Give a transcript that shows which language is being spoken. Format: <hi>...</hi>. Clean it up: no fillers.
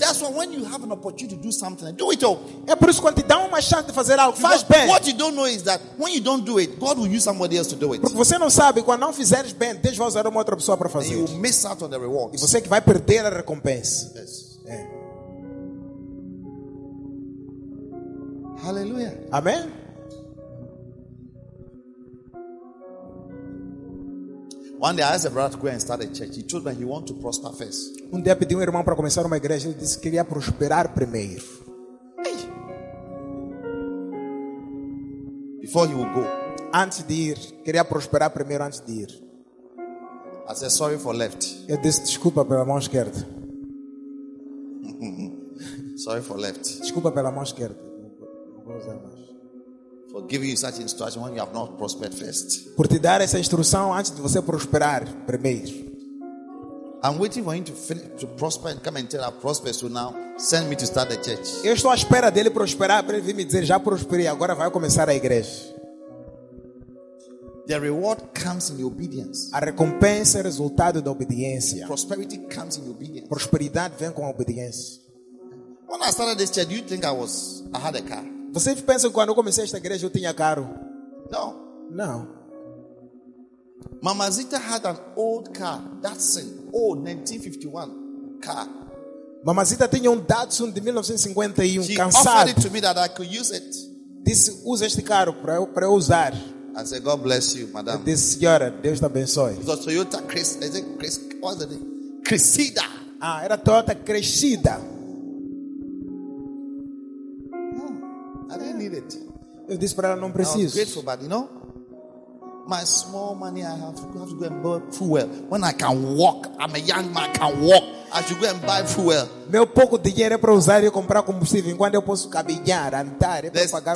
<en>That's why when you have an opportunity to do something, do it all.</en> <pt>É por isso quando te dá uma chance de fazer algo, faz bem.</pt> <en>What you don't know is that when you don't do it, God will use somebody else to do it.</en> <pt>Porque você não sabe quando não fizeres bem, Deus vai usar uma outra pessoa para fazer.</pt> <en>And you will miss out on the reward.</en> <pt>E você que vai perder a recompensa.</pt> <en>Yes.</en> <pt>É.</pt> <en>Hallelujah.</en> <pt>Amém.</pt> <en>One day I asked a brother to go and start a church. He told me he wanted to prosper first.</en> <pt>Um dia pedi um irmão para começar uma igreja. Ele disse que queria prosperar primeiro.</pt> <en>Hey. Before he would go.</en> <pt>Antes de ir. Queria prosperar primeiro antes de ir.</pt> <en>I said sorry for left.</en> <pt>Eu disse desculpa pela mão esquerda.</pt> <en>Sorry for left.</en> <pt>Desculpa pela mão esquerda. Não vou usar mais.</pt> <en>For giving you such instruction when you have not prospered first.</en> <pt>Por te dar essa instrução antes de você prosperar primeiro.</pt> <en>I'm waiting for him to finish, to prosper and come and tell I prosper so now send me to start the church.</en> <pt>Eu estou à espera dele prosperar para ele vir me dizer já prosperei agora vai começar a igreja.</pt> <en>The reward comes in obedience.</en> <pt>A recompensa é resultado da obediência.</pt> <en>Prosperity comes in obedience.</en> <pt>Prosperidade vem com a obediência.</pt> <en>When I started this church, do you think I had a car?</en> <pt>Você pensa que quando eu comecei esta igreja eu tinha carro?</pt> <en>No. No. Mamazita had an old car. That's an old 1951 car.</en> <pt>Mamazita tinha Datsun de 1951,</pt> <en>she</en> <pt>cansado.</pt> <en>She offered it to me that I could use it.</en> <pt>Disse, use este carro para eu usar.</pt> <en>I said, God bless you, madam.</en> <pt>This senhora, Deus te abençoe.</pt> <en>It was a Toyota Chris, is it Chris, what's the name? Crescida.</en> <pt>Ah, era Toyota Crescida.</pt> <en>Oh, I didn't need it.</en> <pt>Eu disse para ela, não preciso.</pt> <en>I was grateful, but you know, my small money, I have to go and buy fuel. When I can walk, I'm a young man, I can walk. I should go and buy fuel.</en> <pt>Meu pouco dinheiro é para usar e comprar combustível. Enquanto eu posso caminhar, andar, é para pagar.</pt>